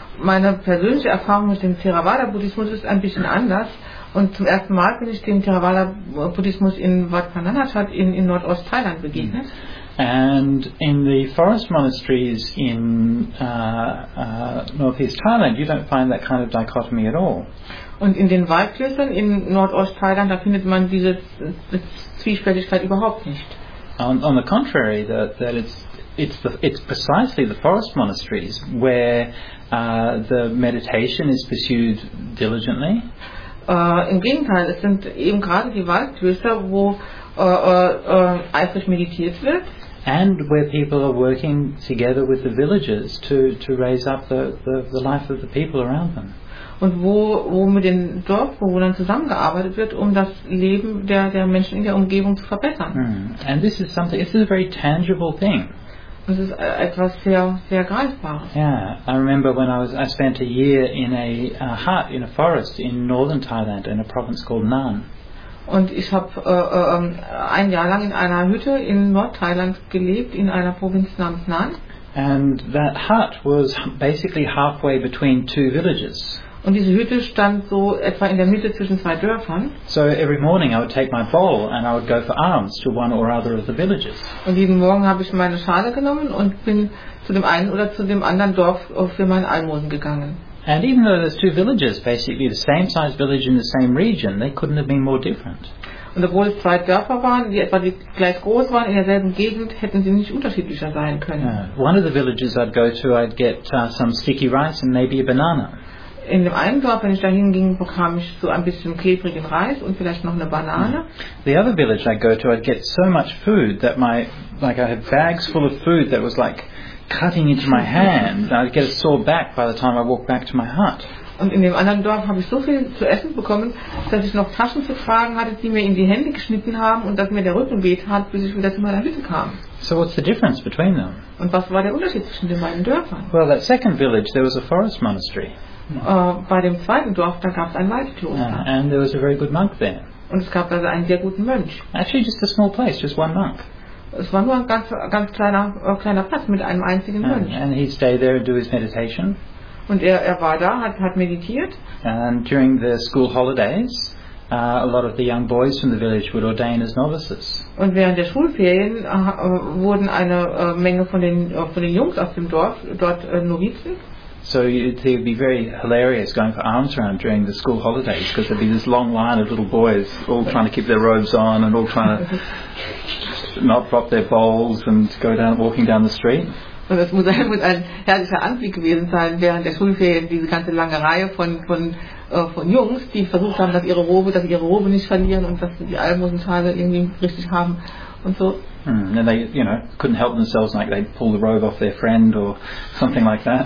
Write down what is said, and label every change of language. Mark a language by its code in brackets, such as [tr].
[de] Meine persönliche Erfahrung mit dem Theravada-Buddhismus ist ein bisschen anders. Und zum ersten Mal bin ich dem Theravada-Buddhismus in Wat Pananachat in Nordost-Thailand begegnet. [en] And in the forest monasteries in Northeast Thailand, you don't find that kind of dichotomy at all. [de] Und in den Waldklöstern in Nordost-Thailand, da findet man diese Zwiespältigkeit überhaupt nicht. [en] On the contrary, that it's it's precisely the forest monasteries where the meditation is pursued diligently. [de] Im Gegenteil, es sind eben gerade die Waldklöster, wo eifrig meditiert wird. [en] And where people are working together with the villagers to raise up the life of the people around them. [de] Und wo mit den Dorfbewohnern zusammengearbeitet wird, um das Leben der Menschen in der Umgebung zu verbessern. [en] And this is something. This is a very tangible thing. [de] Das ist etwas sehr Greifbares. [en] Yeah, I remember when I spent a year in a hut in a forest in northern Thailand in a province called Nan. [de] Und ich habe ein Jahr lang in einer Hütte in Nordthailand gelebt, in einer Provinz namens Nan. [en] And that hut was basically halfway between two villages. [de] Und diese Hütte stand so etwa in der Mitte zwischen zwei Dörfern. [en] So every morning I would take my bowl and I would go for alms to one or other of the villages. [de] Und jeden Morgen habe ich meine Schale genommen und bin zu dem einen oder zu dem anderen Dorf für mein Almosen gegangen. [en] And even though there's two villages, basically the same size village in the same region, they couldn't have been more different. [de] Und obwohl es zwei Dörfer waren, die etwa gleich groß waren in derselben Gegend, hätten sie nicht unterschiedlicher sein können. Yeah. [en] One of the villages I'd go to, I'd get some sticky rice and maybe a banana. [de] In dem einen Dorf, wenn ich da hinging, bekam ich so ein bisschen klebrigen Reis und vielleicht noch eine Banane. [en] The other village I go to, I'd get so much food that I had bags full of food that was like cutting into my hand. I'd get a sore back by the time I walked back to my hut. [de] Und in dem anderen Dorf habe ich so viel zu essen bekommen, dass ich noch Taschen zu tragen hatte, die mir in die Hände geschnitten haben und dass mir der Rücken wehtat, bis ich wieder zu meiner Hütte kam. [en] So what's the difference between them? [de] Und was war der Unterschied zwischen den beiden Dörfern? [en] Well, that second village, there was a forest monastery. [de] Bei dem zweiten Dorf, da gab es ein Waldkloster. [en] And there was a very good monk there. [de] Und es gab also einen sehr guten Mönch. [en] Actually, just a small place, just one monk. [de] Es war nur ein ganz kleiner Platz mit einem einzigen Mönch. [en] And he'd stay there and do his meditation. [de] Und er war da, hat meditiert. [en] And during the school holidays, a lot of the young boys from the village would ordain as novices. [de] Und während der Schulferien wurden eine Menge von den Jungs aus dem Dorf dort Novizen. [en] So it would be very hilarious going for alms round during the school holidays, because there'd be this long line of little boys all trying to keep their robes on and all trying to not drop their bowls and go down walking down the street. [de] Und es muss ein herrlicher Anblick gewesen sein, während der Schulferien diese ganze lange Reihe von Jungs, die versucht haben, dass ihre Robe nicht verlieren und dass sie die Almosenzahl irgendwie richtig haben, und so. Hmm. [en] And they, you know, couldn't help themselves, like they'd pull the robe off their friend or something like that.